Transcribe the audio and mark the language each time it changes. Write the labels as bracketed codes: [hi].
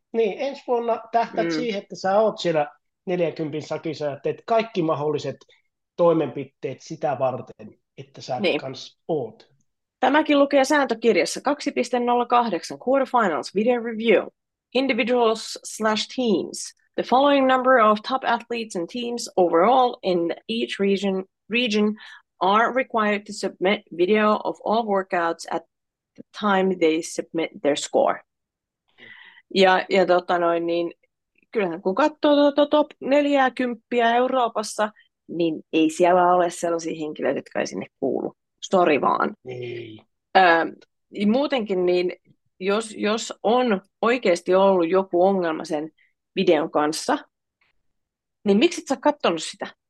[fi] Niin, ensi vuonna tähtäät siihen, että sä oot siellä 40 sakissa ja teet kaikki mahdolliset toimenpiteet sitä varten, että sä Niin. kans oot. Tämäkin lukee sääntökirjassa 2.08 [en] Quarterfinals Video Review. Individuals slash teams. The following number of top athletes and teams overall in each region are required to submit video of all workouts at the time they submit their score. [fi] Ja tota noin, niin kyllähän kun katsoo top 40 Euroopassa, niin ei siellä ole sellaisia henkilöitä, jotka ei sinne kuulu. Sori vaan. Ei. Muutenkin, niin jos on oikeasti ollut joku ongelma sen videon kanssa, niin miksi et sä katsonut sitä?